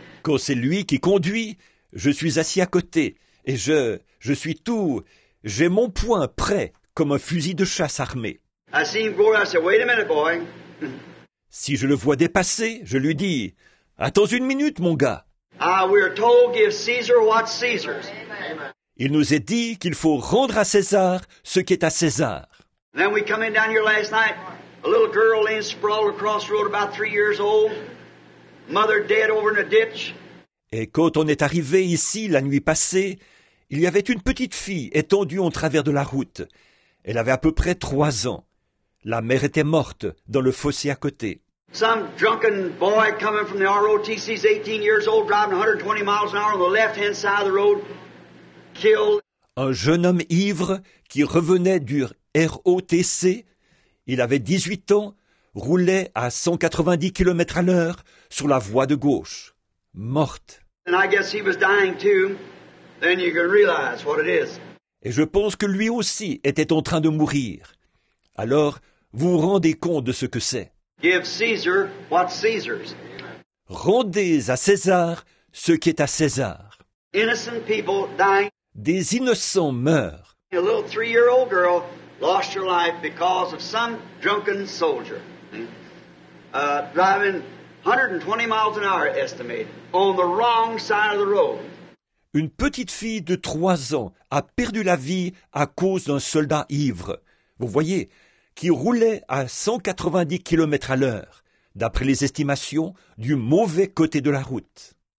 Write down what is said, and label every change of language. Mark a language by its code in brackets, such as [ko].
[fr] Quand c'est lui qui conduit, je suis assis à côté. Et je suis tout... J'ai mon poing prêt comme un fusil de chasse armé. [en] I see him going, I said, wait a minute, boy. [fr] Si je le vois dépasser, je lui dis, attends une minute, mon gars. [en] We are told give Caesar what's Caesar's. [fr] Il nous est dit qu'il faut rendre à César ce qui est à César. [en] Then we come in down here last night, a little girl in sprawled across the road about 3 years old, mother dead over in a ditch. [fr] Et quand on est arrivé ici la nuit passée, il y avait une petite fille étendue en travers de la route. Elle avait à peu près 3 ans. La mère était morte dans le fossé à côté. [en] Some drunken boy coming from the ROTC is 18 years old, driving 120 miles an hour on the left-hand side of the road, killed. [fr] Un jeune homme ivre qui revenait du ROTC, il avait 18 ans, roulait à 190 km à l'heure sur la voie de gauche, morte. [en] And I guess he was dying too. Then you can realize what it is. [fr] Et je pense que lui aussi était en train de mourir. Alors, vous vous rendez compte de ce que c'est. [en] Give Caesar what's Caesar's. [fr] Rendez à César ce qui est à César. [en] Innocent people dying. [fr] Des innocents meurent. [en] A little 3-year-old girl lost her life because of some drunken soldier. Driving 120 miles an hour estimated on the wrong side of the road. [fr] Une petite fille de 3 ans a perdu la vie à cause d'un soldat ivre. Vous voyez, qui roulait à 190 km à l'heure, d'après les estimations, du mauvais côté de la route.